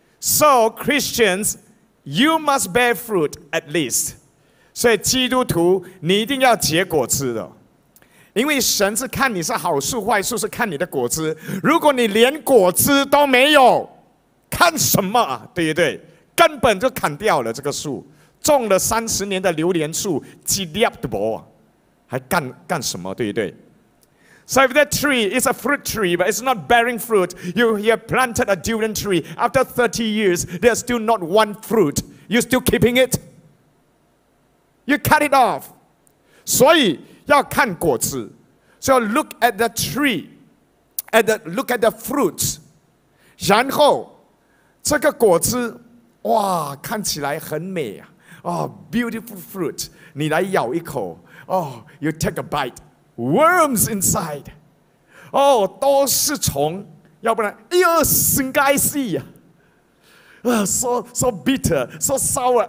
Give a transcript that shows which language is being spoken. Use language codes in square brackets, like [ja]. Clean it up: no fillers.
[en] So, Christians, you must bear fruit at least. [zh] 所以基督徒，你一定要结果子的。因为神是看你是好树坏树，是看你的果子。如果你连果子都没有，看什么啊？对不对？根本就砍掉了这个树。种了30年的榴莲树，几粒都无，还干什么？对不对 [en] ？So if that tree is a fruit tree, but it's not bearing fruit, you planted a durian tree. After 30 years, there's still not one fruit. You're still keeping it. You cut it off. [zh] 所以要看果子。 [en] So look at the tree, and look at the fruit. [zh] 然后这个果子，哇，看起来很美啊。 [en] Oh, beautiful fruit. [zh] 你来咬一口。 [en] Oh, you take a bite. Worms inside. Oh, [zh] 都是虫。要不然 [en] ,Eosingaisi. So bitter, so sour.